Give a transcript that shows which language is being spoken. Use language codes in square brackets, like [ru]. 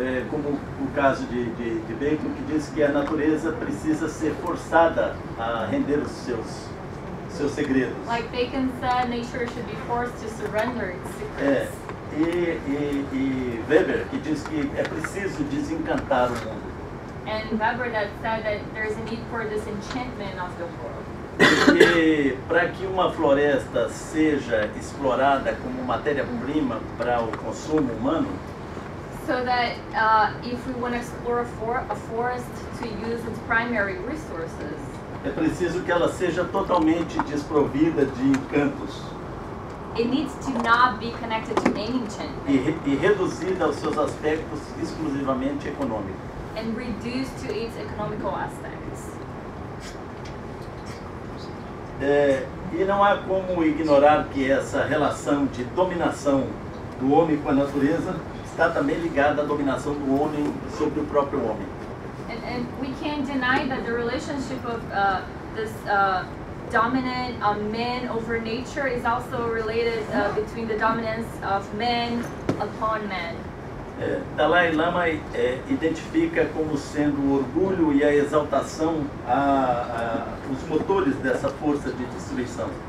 [pt] Como o caso de Bacon, que diz que a natureza precisa ser forçada a render os seus segredos. [en] Like Bacon said, nature should be forced to surrender its secrets. [pt] E Weber, que diz que é preciso desencantar o mundo. [en] and Babrodat said that there is a need for this enchantment of the world. [pt] Porque para que uma floresta seja explorada como matéria-prima para o consumo humano, [en] so that if we want to explore a forest to use its primary resources, [pt] é preciso que ela seja totalmente desprovida de encantos. [en] It needs to not be connected to any enchantment. [pt] E reduzida aos seus aspectos exclusivamente econômicos. [en] And reduced to its economical aspects. [pt] É, e não há como ignorar que essa relação de dominação do homem com a natureza está também ligada à dominação do homem sobre o próprio homem. [en] And we can't deny that the relationship of this dominant man over nature is also related between the dominance of man upon man. [pt] É, Dalai Lama identifica como sendo o orgulho e a exaltação os motores dessa força de destruição.